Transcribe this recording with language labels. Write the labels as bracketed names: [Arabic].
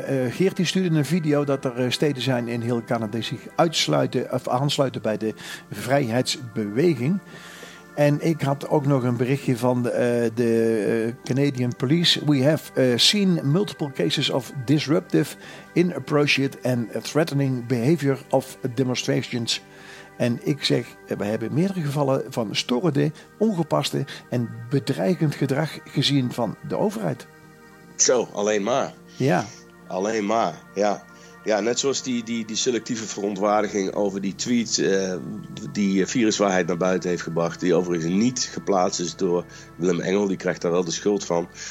[Dutch] Geert die stuurde een video dat er steden zijn in heel Canada die zich uitsluiten of aansluiten bij de vrijheidsbeweging. En ik had ook nog een berichtje van Canadian Police. [English] We have seen multiple cases of disruptive, inappropriate and threatening behavior of demonstrations. [Dutch] En ik zeg, we hebben meerdere gevallen van storende, ongepaste en bedreigend gedrag gezien van de overheid. Zo, alleen maar. Ja. Alleen maar, ja. Ja, net zoals die selectieve verontwaardiging over die tweet die viruswaarheid naar buiten heeft gebracht, die overigens niet geplaatst is door Willem Engel, die krijgt daar wel de schuld van.